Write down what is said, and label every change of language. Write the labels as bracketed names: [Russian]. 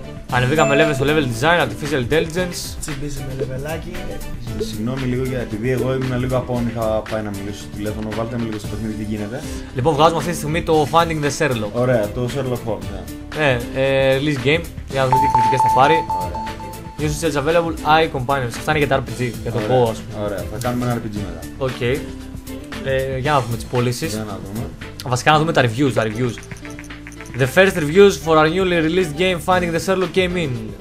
[Greek] Ανεβήκαμε level στο level design, artificial intelligence. Τσιμπήσαμε levelάκι. Συγγνώμη λίγο για, επειδή εγώ ήμουν λίγο απόν, είχα πάει να μιλήσω στο τηλέφωνο. Βάλτε με λίγο στο παιχνίδι, τι γίνεται. Λοιπόν, βγάζουμε αυτή τη στιγμή το Finding the Sherlock. Ωραία, το Sherlock Holmes. Ναι, release game, για να δούμε τι κριτικές θα πάρει. Ωραία. [English] New stage available, I companions. [Greek] Αυτά είναι για τα RPG, για το πω, ας πούμε. Ωραία, θα κάνουμε ένα RPG μετά. [English] Okay. [Greek] Για να δούμε τις πωλήσεις. Για να δούμε. Βασικά να δούμε τα reviews. [English] The first reviews for our newly released game Finding the Sherlock came in.